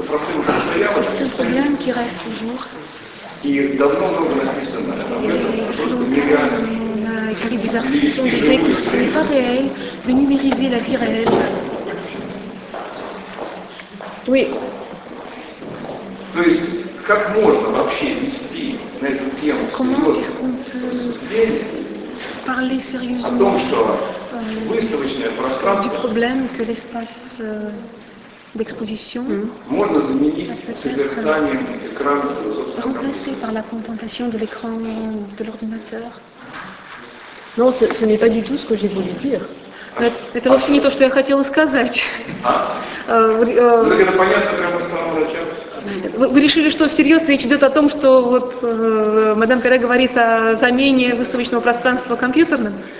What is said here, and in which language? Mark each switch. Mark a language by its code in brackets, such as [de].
[fr] c'est un problème qui reste toujours. Et a écrit des articles qui disaient que ce n'est pas réel de numériser la vie réelle. Oui. [ru] То есть, как можно вообще вести на эту тему серьезно о том, что выставочное пространство, [fr] du problème que l'espace, d'exposition, [ru] можно заменить созерцанием экрана [fr] remplacé par la contemplation de l'écran de l'ordinateur? Non, ce n'est pas du tout ce que j'ai voulu dire. [ru] Это вообще не то, что я хотела сказать. Это понятно прямо с самого начала. Вы решили, что всерьез речь идет о том, что вот мадам Пере говорит о замене выставочного пространства компьютерным?